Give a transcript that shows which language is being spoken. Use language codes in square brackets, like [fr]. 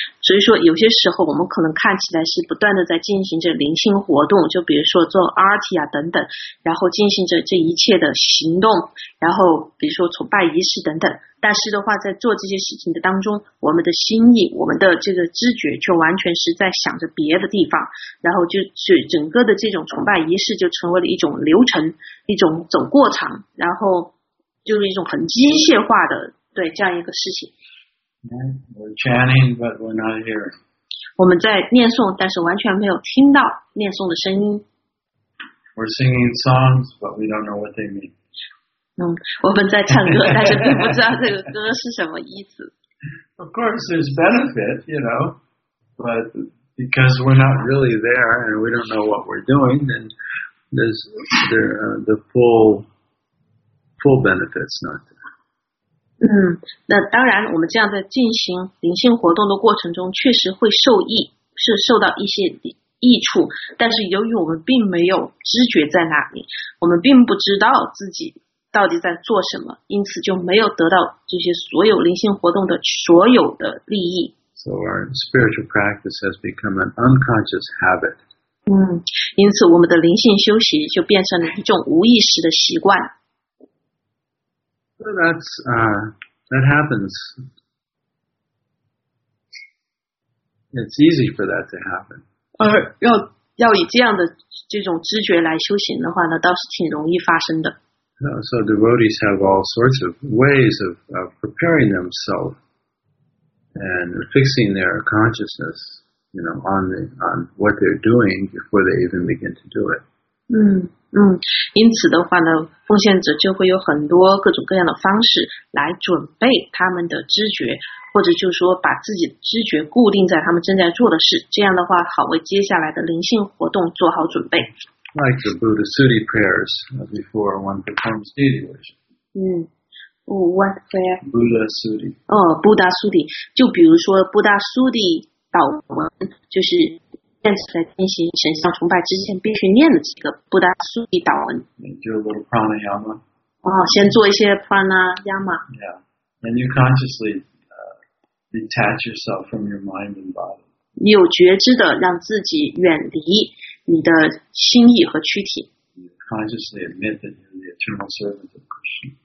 [zh] 所以说有些时候我们可能看起来是不断的在进行着灵性活动，就比如说做 RT 啊等等，然后进行着这一切的行动，然后比如说崇拜仪式等等，但是的话在做这些事情的当中，我们的心意，我们的这个知觉却完全是在想着别的地方，然后就整个的这种崇拜仪式就成为了一种流程，一种走过场，然后就是一种很机械化的对这样一个事情。 [en] We're chanting, but we're not hearing. [zh] 我们在念诵，但是完全没有听到念诵的声音。 [en] We're singing songs, but we don't know what they mean. [zh] 我们在唱歌，但是并不知道这个歌是什么意思。 [en] Of course, there's benefit, you know, but because we're not really there and we don't know what we're doing, then there's the full benefit's not there. [zh] 那当然我们这样在进行灵性活动的过程中确实会受益，是受到一些益处，但是由于我们并没有知觉在哪里，我们并不知道自己到底在做什么，因此就没有得到这些所有灵性活动的所有的利益。 [en] So our spiritual practice has become an unconscious habit. [zh] 因此我们的灵性修习就变成了一种无意识的习惯。 [en] So that's, that happens. It's easy for that to happen. [zh] 要以这样的这种知觉来修行的话呢，倒是挺容易发生的。 [en] So devotees have all sorts of ways of preparing themselves and fixing their consciousness, you know, on what they're doing before they even begin to do it. [zh] 因此的话呢，奉献者就会有很多各种各样的方式来准备他们的知觉，或者就是说把自己的知觉固定在他们正在做的事，这样的话好为接下来的灵性活动做好准备。 [en] Like the Buddha Sutta prayers before one performs deity worship. What prayer? Buddha Sutta. Oh, Buddha Sutta. [zh] 就比如说 Buddha Sutta 祷文，就是念起来进行神像崇拜之前必须念的这个 Buddha Sutta 祷文。 [en] Do a little pranayama. [zh] 先做一些 pranayama. [en] Yeah, and you consciously detach yourself from your mind and body. [zh] 你有觉知的让自己远离。你的心意和躯体 [en] consciously admit that you're the eternal servant of Krishna.